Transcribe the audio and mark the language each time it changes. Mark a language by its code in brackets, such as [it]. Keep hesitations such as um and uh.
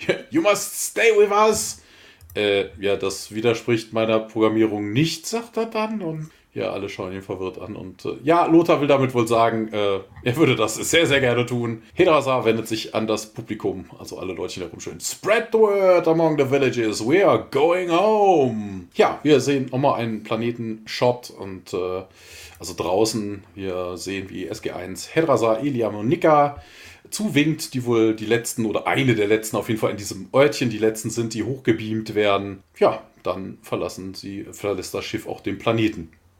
[en] You must stay with us. [de] Äh, ja, das widerspricht meiner Programmierung nicht, sagt er dann. Und ja, alle schauen ihn verwirrt an. Und äh, ja, Lothar will damit wohl sagen, äh, er würde das sehr, sehr gerne tun. Hedrasa wendet sich an das Publikum, also alle Leute hier rumschön. [en] Spread the word among the villages. We are going home. [de] Ja, wir sehen nochmal einen Planeten-Shot und äh, also draußen. Wir sehen, wie SG1 Hedrasa, Eliam und Nika zuwinkt, die wohl die letzten oder eine der letzten auf jeden Fall in diesem Örtchen die letzten sind, die hochgebeamt werden. Ja, dann verlassen sie, verlässt das Schiff auch den Planeten.